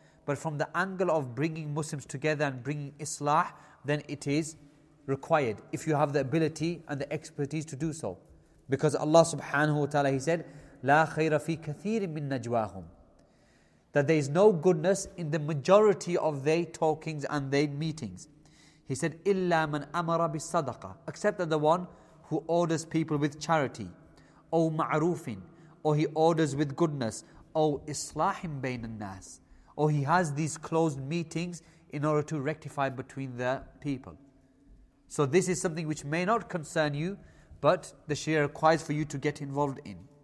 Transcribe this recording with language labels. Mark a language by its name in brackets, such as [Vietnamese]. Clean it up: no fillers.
[English] But from the angle of bringing Muslims together and bringing Islah, then it is required if you have the ability and the expertise to do so. Because Allah [Arabic] subhanahu wa ta'ala, [English] he said, [Arabic] لا خير في كثير من نجواهم. [English] That there is no goodness in the majority of their talkings and their meetings. He said, [Arabic] إلا من أمر بالصدقة. [English] Except that the one who orders people with charity, [Arabic] أو معروف, [English] or he orders with goodness, [Arabic] أو إصلاح بين الناس, [English] or he has these closed meetings in order to rectify between the people. So this is something which may not concern you, but the Sharia requires for you to get involved in.